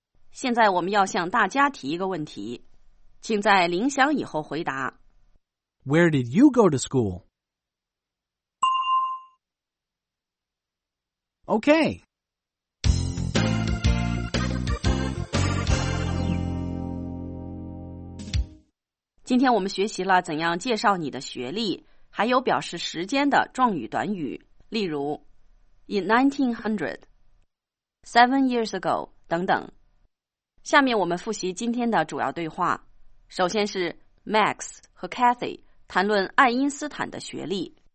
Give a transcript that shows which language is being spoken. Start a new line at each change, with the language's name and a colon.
Chinese: 现在我们要向大家提一个问题，请在铃响以后回答。
English: Where did you go to school? Okay.
Chinese: 今天我们学习了怎样介绍你的学历，还有表示时间的状语短语，例如
English: in 1900. Seven years ago,
Chinese: 等等。下面我们复习今天的主要对话。首先是 Max 和 Cathy 谈论爱因斯坦的学历。